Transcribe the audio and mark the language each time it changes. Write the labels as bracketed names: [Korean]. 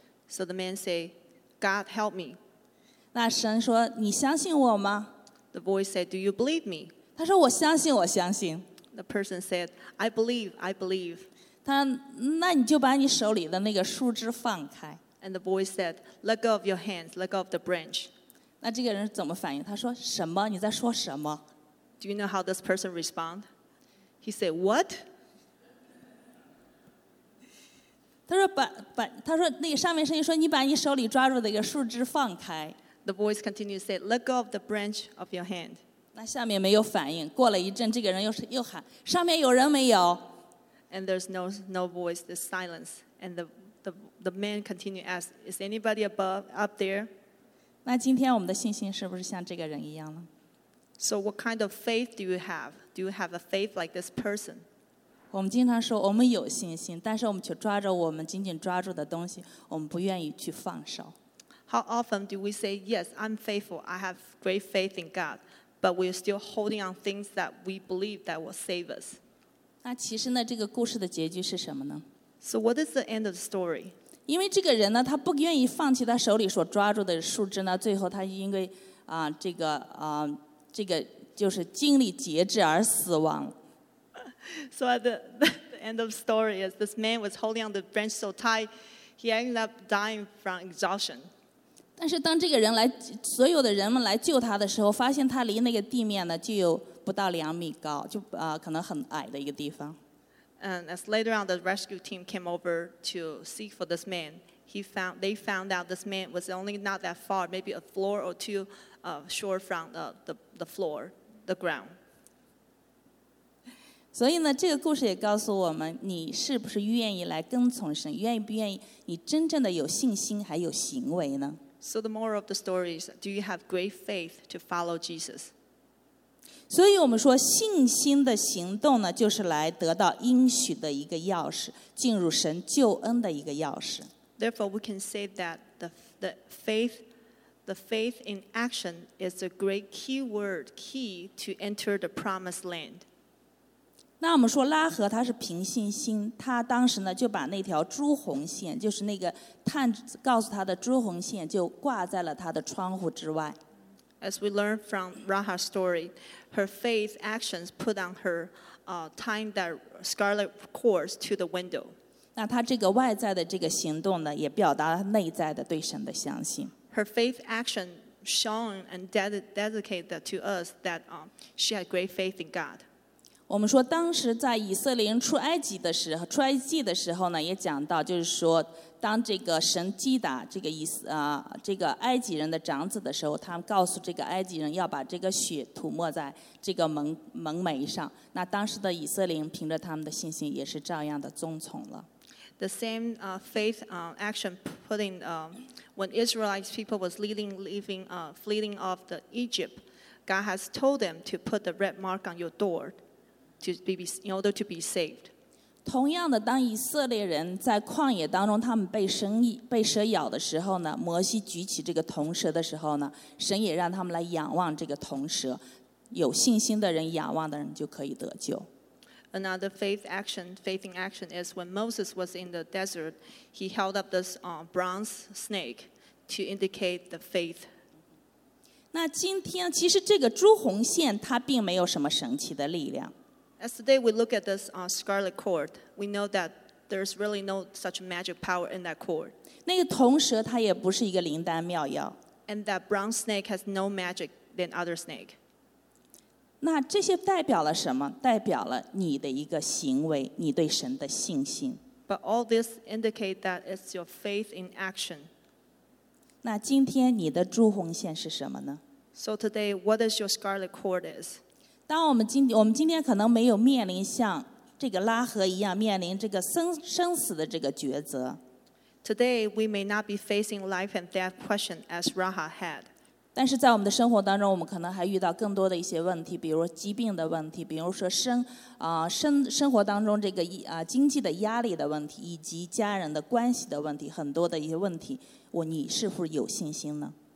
[English] So the man said,God, help me. [Chinese] 那神说，你相信我吗? [English] The voice said, do you believe me? [Chinese] 他说，我相信，我相信。 [English] The person said, I believe, I believe. [Chinese] 他说，那你就把你手里的那个树枝放开。 [English] And the voice said, let go of your hands, let go of the branch. [Chinese] 那这个人怎么反应？他说，什么？你在说什么？ [English] Do you know how this person respond? He said, what? [Chinese] 他说那个上面声音说你把你手里抓住的一个树枝放开。 [English] The voice continued to say, let go of the branch of your hand. [Chinese] 那下面没有反应。过了一阵，这个人又喊，上面有人没有？ [English] And there's no voice, the silence. And the man continued to ask, is anybody above, up there? [Chinese] 那今天我们的信心是不是像这个人一样呢？ [English] So what kind of faith do you have? Do you have a faith like this person? [Chinese] 我们经常说我们有信心，但是我们却抓着我们紧紧抓住的东西，我们不愿意去放手。 [English] How often do we say, yes, I'm faithful, I have great faith in God, but we're still holding on things that we believe that will save us? [Chinese] 那其实呢，这个故事的结局是什么呢？ [English] So what is the end of the story? [Chinese] 因为这个人呢，他不愿意放弃他手里所抓住的树枝呢，最后他因为这个就是经历节制而死亡。 [English] So at the end of the story is this man was holding on the branch so tight, he ended up dying from exhaustion. [Chinese] 但是当这个人来，所有的人们来救他的时候，发现他离那个地面呢，就有不到两米高，就可能很矮的一个地方。 [English] And as later on, the rescue team came over to seek for this man. They found out this man was only not that far, maybe a floor or two short from the floor, the ground. [Chinese] 所以呢，这个故事也告诉我们，你是不是愿意来跟从神，愿意不愿意，你真正的有信心还有行为呢？ [English] So the moral of the story is, do you have great faith to follow Jesus? [Chinese] 所以我们说，信心的行动呢，就是来得到应许的一个钥匙，进入神救恩的一个钥匙。 [English] Therefore, we can say that the faith in action is a great key to enter the promised land. [Chinese] 那我们说拉合他是凭信心，他当时呢就把那条朱红线，就是那个探告诉他的朱红线，就挂在了他的窗户之外。 [English] As we learn from Rahab's story, her faith actions put on her tying that scarlet cord to the window. [Chinese] 那他这个外在的这个行动呢，也表达了内在的对神的相信。 [English] Her faith action shown and dedicated to us that she had great faith in God. [Chinese] 我们说当时在以色列人出埃及的时候，出埃及的时候呢，也讲到，就是说当这个神击打这个埃及人的长子的时候，他们告诉这个埃及人要把这个血涂抹在这个门楣上。那当时的以色列人凭着他们的信心也是照样的遵从了。 [English] The same faith action putting when Israelite people was fleeing off the Egypt, God has told them to put the red mark on your door. In order to be saved. [Chinese] 同样的，当以色列人在旷野当中，他们被蛇咬的时候呢，摩西举起这个铜蛇的时候呢，神也让他们来仰望这个铜蛇。有信心的人，仰望的人就可以得救。 [English] Another faith in action is when Moses was in the desert, he held up this bronze snake to indicate the faith. [Chinese] 那今天其实这个朱红线它并没有什么神奇的力量。 [English] As today we look at this scarlet cord, we know that there's really no such magic power in that cord. [Chinese] 那个铜蛇它也不是一个灵丹妙药。 [English] And that brown snake has no magic than other snake. [Chinese] 那这些代表了什么？代表了你的一个行为，你对神的信心。 [English] But all this indicate that it's your faith in action. [Chinese] 那今天你的朱红线是什么呢？ [English] So today, what is your scarlet cord is? [Chinese] 当我们今天可能没有面临像这个拉合一样面临这个生死的这个抉择。 [English] Today, we may not be facing life and death question as Rahab had. [Chinese] 但是在我们的生活当中，我们可能还遇到更多的一些问题，比如疾病的问题，比如说生活当中这个经济的压力的问题，以及家人的关系的问题，很多的一些问题，你是否有信心呢？